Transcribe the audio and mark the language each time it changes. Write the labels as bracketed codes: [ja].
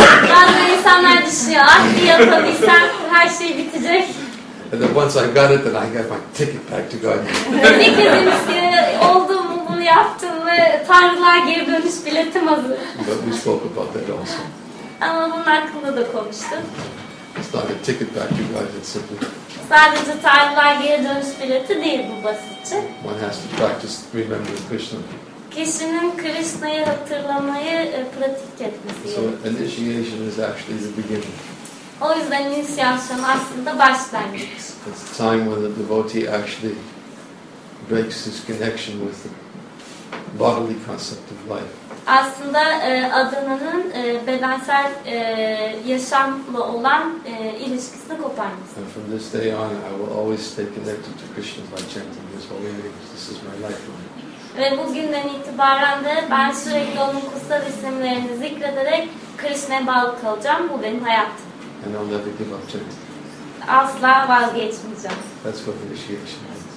[tr] Bazen insanlar düşünüyor, ah bir yapabilsem her şey bitecek. [en] And then once I got it, then I got my ticket back to God. [tr] Bir kez oldum, bunu yaptım ve tanrılığa geri dönüş biletim hazır. [en] But we spoke about that also. [tr] Ama bunun hakkında da konuştum. [en] It's not a ticket back to God, it's simple. [tr] Sadece tanrılığa geri dönüş bileti değil bu basitçe. [en] One has to practice remembering Krishna. [tr] Kişinin Krishna'yı hatırlamayı pratik etmesi. [en] So initiation is actually the beginning. [tr] O yüzden inisiyasyon aslında başlangıç. [en] It's the time when the devotee actually breaks his connection with the bodily concept of life. [tr] Aslında adananın bedensel yaşamla olan ilişkisini koparması. [en] And from this day on, I will always stay connected to Krishna by chanting His holy names. This is my lifeline. [tr] Ve bugünden itibaren de ben sürekli onun kutsal isimlerini zikrederek Krishna'ya bağlı kalacağım. Bu benim hayatım. [en] And I'll never give up chanting. [tr] Asla vazgeçmeyeceğim. [en] That's what initiation is.